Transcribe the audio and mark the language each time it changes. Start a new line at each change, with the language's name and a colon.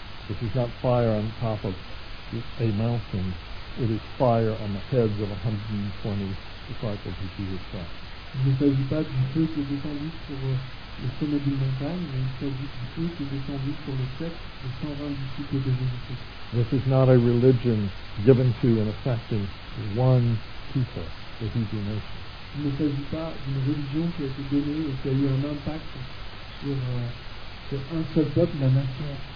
English: If you've got fire on top of a mountain, it is fire on the heads of 120 disciples of Jesus Christ.
French: Il ne s'agit pas du feu qui est descendu sur le sommet d'une montagne, mais il s'agit du feu qui est descendu sur le tête de 120 disciples de Jésus-Christ.
English: This is not a religion given to and affecting one people, the Hebrew nation.
French: Il ne s'agit pas d'une religion qui a été donnée et qui a eu un impact sur un seul peuple, la nation.